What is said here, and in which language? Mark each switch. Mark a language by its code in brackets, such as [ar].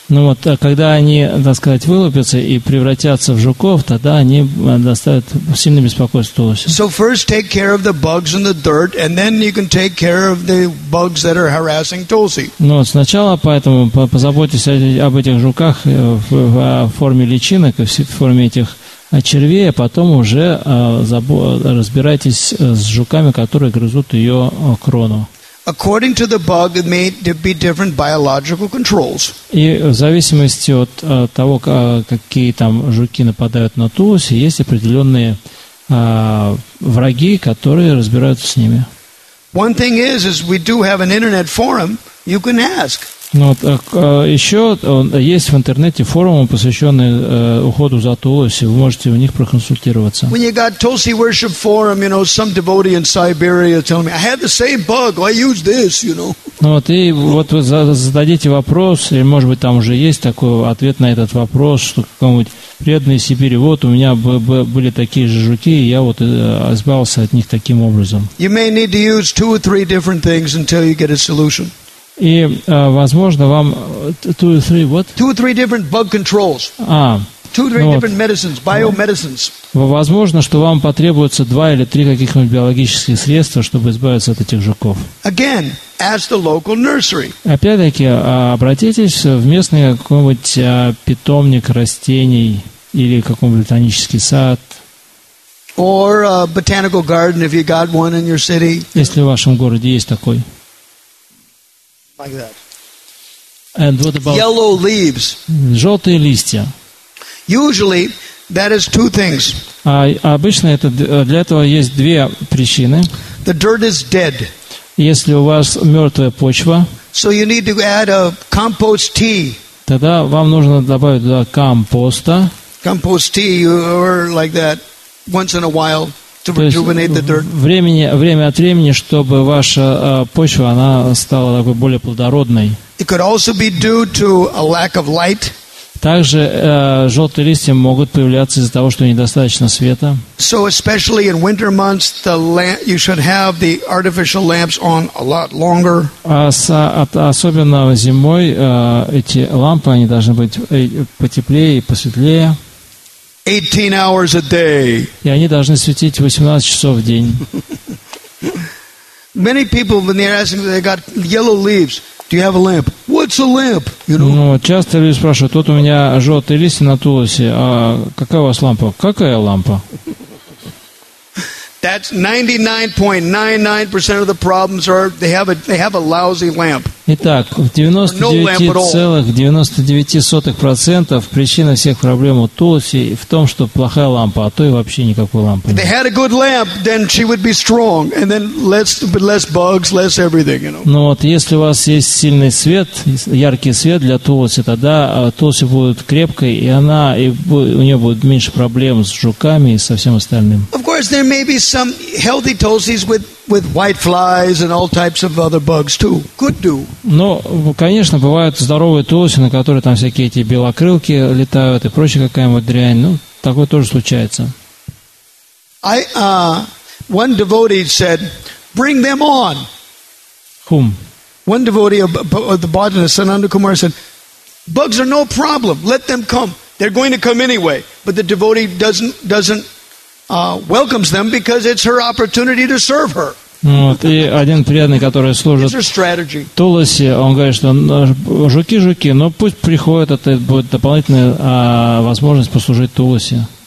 [ru] Ну вот, когда они, так сказать, вылупятся и превратятся в жуков, тогда они доставят сильное беспокойство тулуси. [en] So first take care of the bugs and the dirt, and then you can take care of the bugs that are harassing tulsi. [ru] Ну вот, сначала поэтому позаботьтесь об этих жуках в форме личинок, в форме этих А червей, а потом уже разбирайтесь с жуками, которые грызут ее крону. [en] According to the bug, it may be different biological controls. [ru] И в зависимости от того, какие там жуки нападают на тулуси, есть определенные враги, которые разбираются с ними. [en] One thing is we do have an internet forum. You can ask. [ru] Ну, так, еще есть в интернете форумы, посвященные уходу за тулуси. Вы можете у них проконсультироваться. [en] When you got Tulsi worship forum, you know, some devotee in Siberia telling me, I had the same bug, I use this, you know. [ru] Ну, вот, и вот вы зададите вопрос, или, может быть, там уже есть такой ответ на этот вопрос, что какому-нибудь преданный Сибири, вот у меня были такие же жуки, и я вот избавился от них таким образом. [en] You may need to use two or three different things until you get a solution. [ru] И, возможно, вам [en] two or three what? Two or three different bug controls. Two or three different medicines, biomedicines. [ru] Возможно, что вам потребуется два или три каких-нибудь биологических средства, чтобы избавиться от этих жуков. [en] Again, ask the local nursery. [ru] Опять-таки, обратитесь в местный какой-нибудь питомник растений или какой-нибудь ботанический сад. [en] Or a botanical garden if you got one in your city. [ru] Если в вашем городе есть такой. [en] Like that. And what about yellow leaves? [ru] Желтые листья. [en] Usually, that is two things. [ru] Обычно это для этого есть две причины. [en] The dirt is dead. [ru] Если у вас мертвая почва. [en] So you need to add a compost tea. [ru] Тогда вам нужно добавить туда компоста. [en] Compost tea or like that once in a while. To rejuvenate the dirt. [ru] Время от времени, чтобы ваша почва она стала такой более плодородной. [en] It could also be due to a lack of light. [ru] Также желтые листья могут появляться из-за того, что недостаточно света. [en] So especially in winter months, you should have the artificial lamps on a lot longer. [ru] Особенно зимой эти лампы они должны быть потеплее и посветлее. [en] 18 hours a day. [ru] И они должны светить 18 часов в день. [en] Many people, when they're asking, they got yellow leaves. Do you have a lamp? What's a lamp? You know. [ru] Ну, часто люди спрашивают, вот у меня желтые листья на тулусе, а какая у вас лампа? Какая лампа? [en] That's 99.99% of the problems are they have a lousy lamp. [ru] Итак, в 99,99% причина всех проблем у тулуси в том, что плохая лампа, а то и вообще никакой лампы. [en] If they had a good lamp, then she would be strong, and then less bugs, less everything, you know. [ru] Ну вот, если у вас есть сильный свет, яркий свет для тулуси, тогда тулуси будет крепкой, и она и у нее будет меньше проблем с жуками и со всем остальным. [en] Of course, there may be some healthy tulsis with white flies and all types of other bugs too. Could do. [ru] Но, конечно, бывают здоровые тулуси, на которые там всякие эти белокрылки летают и прочая какая-нибудь дрянь. Ну, такое тоже случается. [en] One devotee said, "Bring them on." Whom? One devotee of the botanist Sananda Kumar said, "Bugs are no problem. Let them come. They're going to come anyway." But the devotee doesn't welcomes them because it's her opportunity to serve her. [ru] Вот, и один преданный, который служит тулуси, он говорит, что жуки, но пусть приходят, это будет дополнительная возможность послужить тулуси.